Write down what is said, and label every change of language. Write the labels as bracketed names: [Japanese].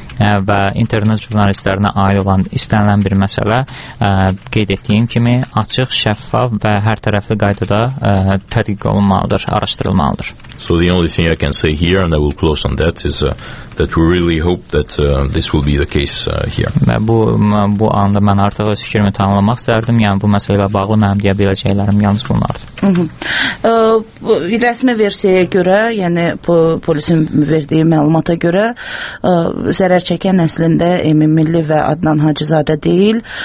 [Azerbaijani] Və internet jurnalistlərinə aid olan istənilən bir məsələ qeyd etdiyim kimi açıq, şəffaf və hər tərəfli qaydada tədqiq olunmalıdır, araşdırılmalıdır. [English] So the only thing I can say here and I will close on that is that we really hope that this will be the case here. [Azerbaijani] Və bu anda mən artıq öz fikrimi tamamlamaq istərdim. Yəni bu məsələ ilə bağlı mənim deyə biləcəklərim yalnız bunlardır. Rəsmi versiyaya görə, yəni bu polisin verdiyi məlumata görə zərər çəkən əslində Emin Milli və Adnan Hacızadə deyil.